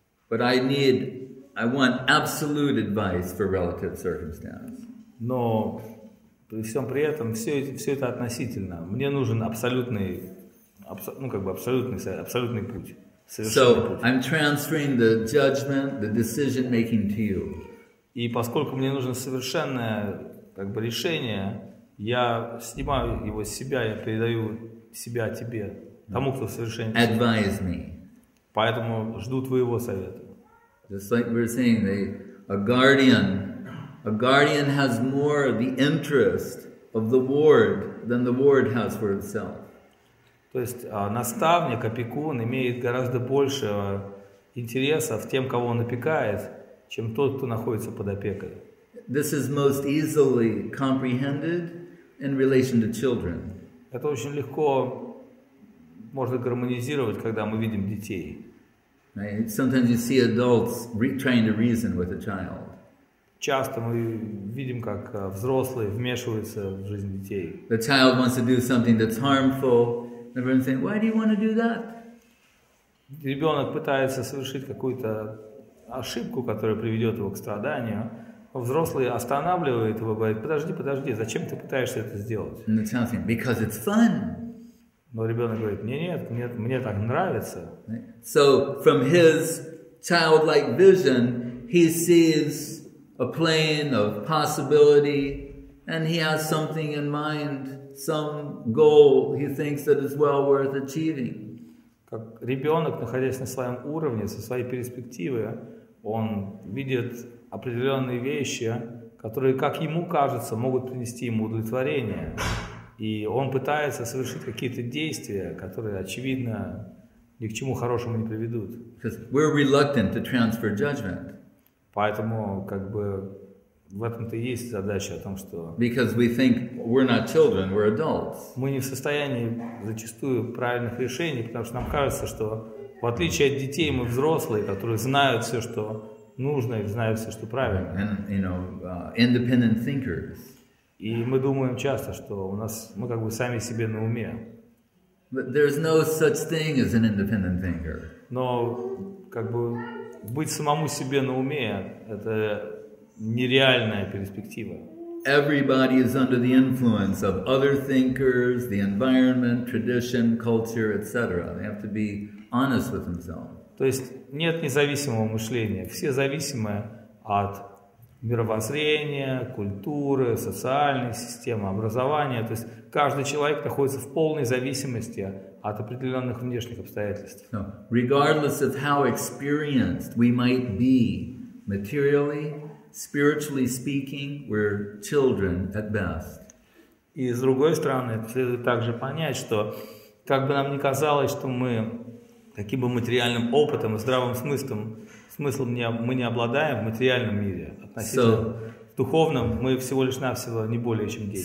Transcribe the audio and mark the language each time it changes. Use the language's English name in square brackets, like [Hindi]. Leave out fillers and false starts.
[English] But I want absolute advice for relative circumstances. [Russian] Но при всем при этом все это относительно. Мне нужен абсолютный путь, совершенный путь. [English] So I'm transferring the judgment, the decision making to you. [Russian] И поскольку мне нужно совершенное как бы решение, я снимаю его с себя, я передаю себя тебе, тому, кто совершенно. [English] Advise me. [Russian] Поэтому жду твоего совета. [English] Just like we're saying, a guardian has more the interest of the ward than the ward has for itself. [Russian] То есть наставник, опекун имеет гораздо больше интереса в тем, кого он опекает, чем тот, кто находится под опекой. [English] This is most easily comprehended in relation to children. [Russian] Это очень легко можно гармонизировать, когда мы видим детей. [English] Sometimes you see adults trying to reason with a child. [Russian] Часто мы видим, как взрослые вмешиваются в жизнь детей. [English] The child wants to do something that's harmful. Everyone's saying, "Why do you want to do that?" [Russian] Ребенок пытается совершить какую-то ошибку, которая приведет его к страданию. Взрослый останавливает его и говорит: подожди, зачем ты пытаешься это сделать? [English] And the child says, "Because it's fun." [Russian] Но ребенок говорит: нет, мне так нравится. [English] So from his childlike vision, he sees a plane of possibility, and he has something in mind, some goal he thinks that is well worth achieving. [Russian] Как ребенок, находясь на своем уровне, со своей перспективы, он видит определенные вещи, которые, как ему кажется, могут принести ему удовлетворение. И он пытается совершить какие-то действия, которые, очевидно, ни к чему хорошему не приведут. [English] We're reluctant to transfer judgment. [Russian] Поэтому, как бы, в этом-то и есть задача о том, что... [English] Because we think we're not children, we're adults. [Russian] Мы не в состоянии зачастую правильных решений, потому что нам кажется, что в отличие от детей, мы взрослые, которые знают все, что нужно, и знают все, что правильно. [English] And, you know, independent thinkers. [Russian] И мы думаем часто, что у нас мы как бы сами себе на уме. [English] But there's no such thing as an independent thinker. [Russian] Но как бы быть самому себе на уме — это нереальная перспектива. [English] Everybody is under the influence of other thinkers, the environment, tradition, culture, etc. They have to be honest with themselves. [Russian] То есть нет независимого мышления. Все зависимы от мировоззрения, культуры, социальной системы, образования. То есть каждый человек находится в полной зависимости от определенных внешних обстоятельств. [English] No. Regardless of how experienced we might be materially, spiritually speaking, we're children at best. [Russian] И с другой стороны, следует также понять, что как бы нам ни казалось, что мы каким бы материальным опытом и здравым смыслом, мы не обладаем в материальном мире относительно в духовном, мы всего лишь навсего не более чем дети.